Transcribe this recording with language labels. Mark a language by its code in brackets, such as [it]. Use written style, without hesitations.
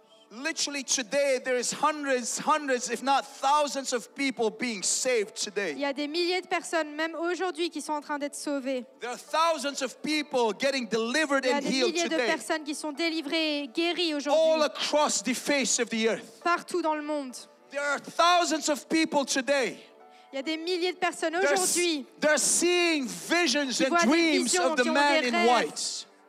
[en] Literally today, there is hundreds, if not thousands, of people being saved today. [fr] Il y a des milliers de personnes, même aujourd'hui, qui sont en train d'être sauvées. [en] There are thousands of people getting delivered and healed today. [fr] Il y a des milliers de personnes qui sont délivrées et guéries aujourd'hui. [en] All across the face of the earth. [fr] Partout dans le monde. [en] There are thousands of people today. [fr] Il y a des milliers de personnes aujourd'hui. [en] They're seeing visions and dreams of the man in white.